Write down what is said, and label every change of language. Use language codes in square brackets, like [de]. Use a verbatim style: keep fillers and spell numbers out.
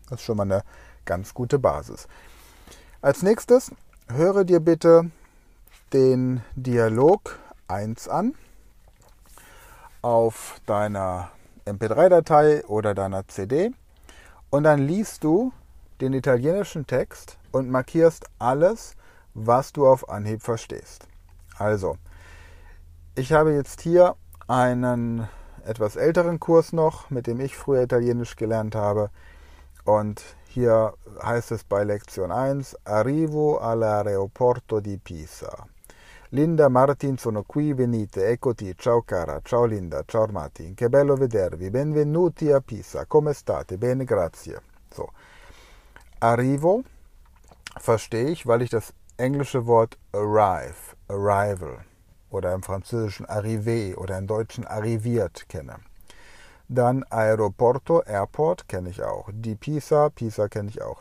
[de] Das ist schon mal eine ganz gute Basis. Als nächstes höre dir bitte den Dialog eins an auf deiner M P drei Datei oder deiner C D und dann liest du den italienischen Text und markierst alles, was du auf Anhieb verstehst. Also, ich habe jetzt hier einen etwas älteren Kurs noch, mit dem ich früher Italienisch gelernt habe. Und hier heißt es bei Lektion eins, [it] Arrivo all'aeroporto di Pisa. Linda, Martin, sono qui, venite, eccoti, ciao cara, ciao Linda, ciao Martin, che bello vedervi, benvenuti a Pisa, come state? Bene, grazie. So. [de] Arrivo verstehe ich, weil ich das englische Wort arrive, arrival, oder im französischen arrivé oder im deutschen arriviert kenne. Dann Aeroporto, Airport kenne ich auch. Di Pisa, Pisa kenne ich auch.